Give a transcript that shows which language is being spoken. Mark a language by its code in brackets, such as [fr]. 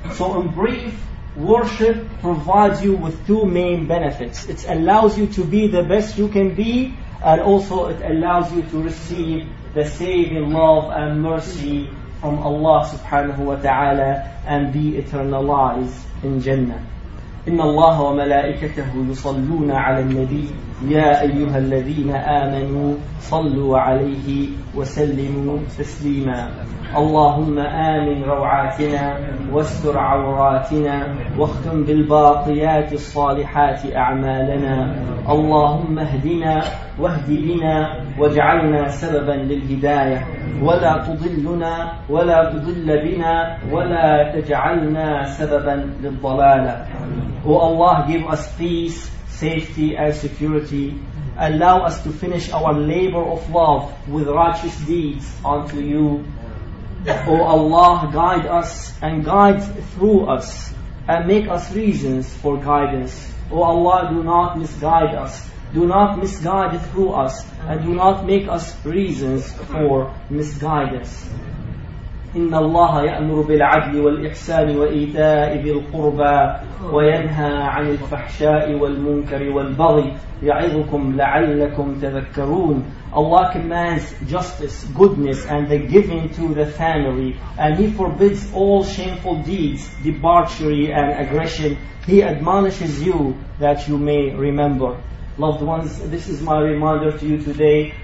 [en] So in brief, worship provides you with two main benefits. It allows you to be the best you can be, and also it allows you to receive the saving love and mercy from Allah subhanahu wa ta'ala and be eternalized in Jannah. [ar] إن الله وملائكته يصلون على النبي يا أيها الذين آمنوا صلوا عليه وسلموا تسليما اللهم آمن روعاتنا واستر عوراتنا واختم بالباقيات الصالحات أعمالنا اللهم اهدنا واهد بنا واجعلنا سببا للهداية ولا تضلنا ولا تضل بنا ولا تجعلنا سببا للضلالة. [en] O Allah, give us peace, safety, and security. Allow us to finish our labor of love with righteous deeds unto You. O Allah, guide us and guide through us and make us reasons for guidance. O Allah, do not misguide us. Do not misguide through us and do not make us reasons for misguidance. [ar] إن الله يأمر بالعدل والإحسان وإيتاء ذي القربى وينهى عن الفحشاء والمنكر والبغي يعظكم لعلكم تذكرون. [en] Allah commands justice, goodness, and the giving to the family, and He forbids all shameful deeds, debauchery, and aggression. He admonishes you that you may remember. loved ones, this is my reminder to you today.